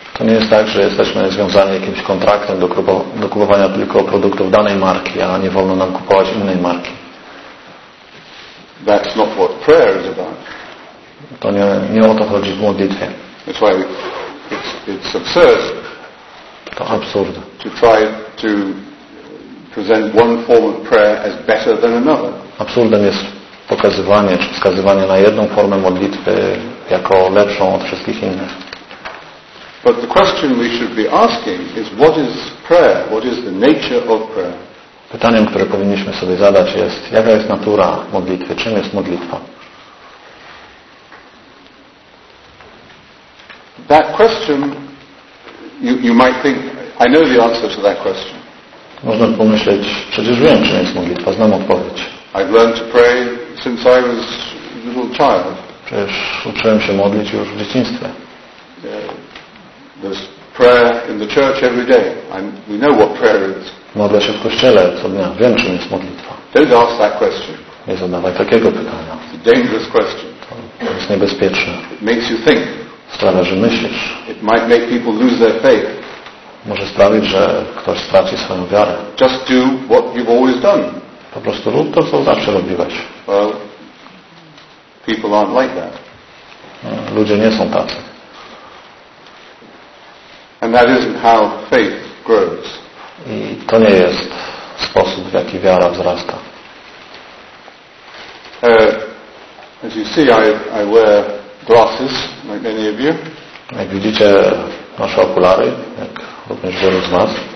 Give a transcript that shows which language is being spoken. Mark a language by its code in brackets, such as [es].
[pl] To nie jest tak, że jesteśmy związani jakimś kontraktem do kupowania tylko produktów danej marki, a nie wolno nam kupować innej marki. [en] That's not what prayer is about. [pl] To nie o to chodzi w modlitwie. [en] That's why it's absurd. [pl] To absurd. [en] To try to present one form of prayer as better than another. [pl] Absurdem jest pokazywanie czy wskazywanie na jedną formę modlitwy jako lepszą od wszystkich innych. [en] But the question we should be asking is, what is prayer? What is the nature of prayer? [pl] Pytaniem, które powinniśmy sobie zadać, jest, jaka jest natura modlitwy? Czym jest modlitwa? [en] That question, you might think, I know the answer to that question. [pl] Można pomyśleć, przecież wiem, czym jest modlitwa, znam odpowiedź. [en] I've learned to pray since I was a little child. [pl] Przecież uczyłem się modlić już w dzieciństwie. [en] There's prayer in the church every day. We know what prayer is. [pl] Modlę się w kościele co dnia. Wiem, czym jest modlitwa. [en] Don't ask that question. [pl] Nie zadawaj takiego pytania. [en] It's a dangerous question. [pl] To jest niebezpieczne. [en] It makes you think. [pl] Sprawia, że myślisz. [en] It might make people lose their faith. [pl] Może sprawić, że ktoś straci swoją wiarę. [en] Just do what you've always done. [pl] Po prostu rób to, co zawsze robiłeś. [en] Well, people aren't like that. [pl] Ludzie nie są tacy. [en] And that isn't how faith grows. [pl] I to nie jest sposób, w jaki wiara wzrasta. [en] As you see, I wear glasses, like many of you. [pl] Jak widzicie, noszę okulary, jak również wielu z nas.